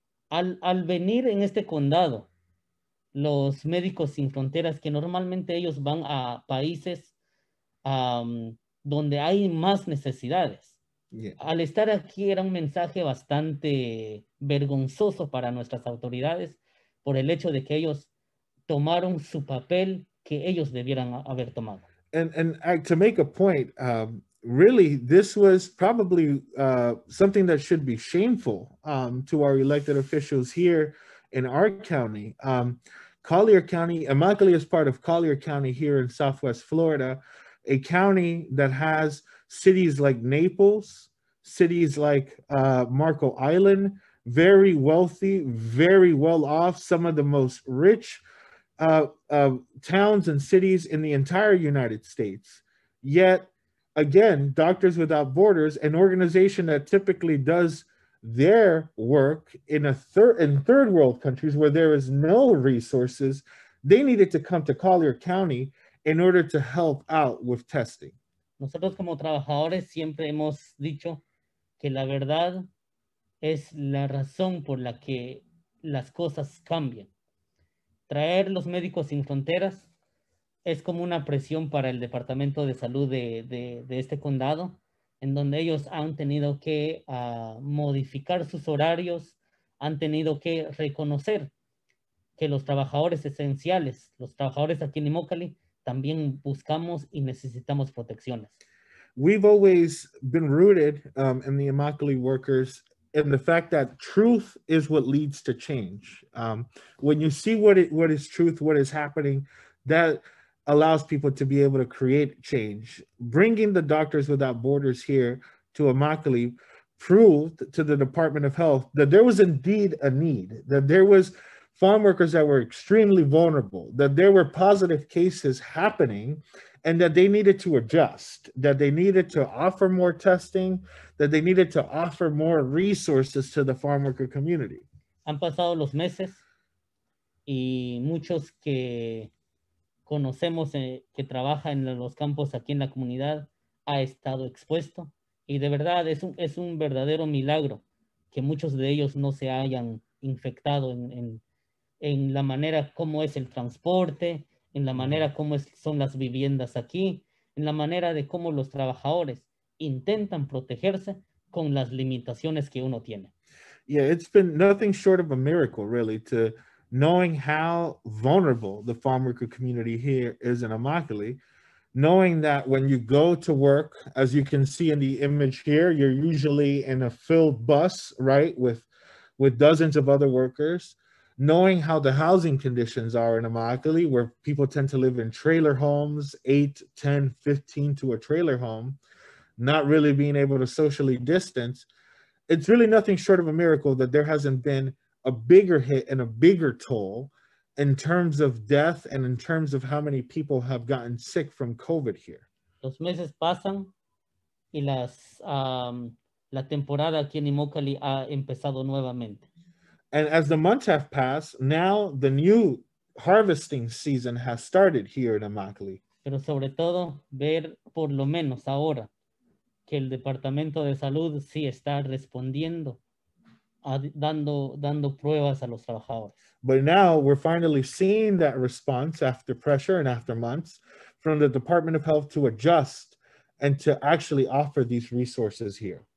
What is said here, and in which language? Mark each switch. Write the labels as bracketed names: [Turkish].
[Spanish] Al venir en este condado, los Médicos Sin Fronteras, que normalmente ellos van a países donde hay más necesidades. [English] Yeah. [Spanish] Al estar aquí era un mensaje bastante vergonzoso para nuestras autoridades por el hecho de que ellos tomaron su papel que ellos debieran haber tomado. [English] And to make a point, really, this was probably something that should be shameful to our elected officials here in our county. Collier County, Immokalee is part of Collier County here in Southwest Florida, a county that has cities like Naples, cities like Marco Island, very wealthy, very well off, some of the most rich towns and cities in the entire United States. Yet, again, Doctors Without Borders, an organization that typically does their work in third world countries where there is no resources, they needed to come to Collier County in order to help out with testing. [Spanish] Nosotros como trabajadores siempre hemos dicho que la verdad es la razón por la que las cosas cambian. Traer los Médicos Sin Fronteras es como una presión para el Departamento de Salud de este condado, en donde ellos han tenido que modificar sus horarios, han tenido que reconocer que los trabajadores esenciales, los trabajadores aquí en Immokalee, también buscamos y necesitamos protecciones. [English] We've always been rooted in the Immokalee workers and the fact that truth is what leads to change. When you see what is truth, what is happening, that allows people to be able to create change. Bringing the Doctors Without Borders here to Immokalee proved to the Department of Health that there was indeed a need, that there was farm workers that were extremely vulnerable, that there were positive cases happening, and that they needed to adjust, that they needed to offer more testing, that they needed to offer more resources to the farm worker community. [Spanish] Han pasado los meses, y muchos que conocemos que trabaja en los campos aquí en la comunidad ha estado expuesto, y de verdad es un verdadero milagro que muchos de ellos no se hayan infectado en la manera como es el transporte, en la manera como son las viviendas aquí, en la manera de cómo los trabajadores intentan protegerse con las limitaciones que uno tiene. [English] Yeah, it's been nothing short of a miracle, really, to knowing how vulnerable the farm worker community here is in Immokalee, knowing that when you go to work, as you can see in the image here, you're usually in a filled bus, right, with dozens of other workers. Knowing how the housing conditions are in Immokalee, where people tend to live in trailer homes, 8, 10, 15 to a trailer home, not really being able to socially distance, it's really nothing short of a miracle that there hasn't been a bigger hit and a bigger toll in terms of death and in terms of how many people have gotten sick from COVID here. [Spanish] Los meses pasan y la temporada aquí en Immokalee ha empezado nuevamente. [English] And as the months have passed, now the new harvesting season has started here in Immokalee. [Spanish] Pero sobre todo, ver por lo menos ahora que el Departamento de Salud sí está respondiendo, dando pruebas a los trabajadores. [English] But now we're finally seeing that response after pressure and after months from the Department of Health to adjust and to actually offer these resources here.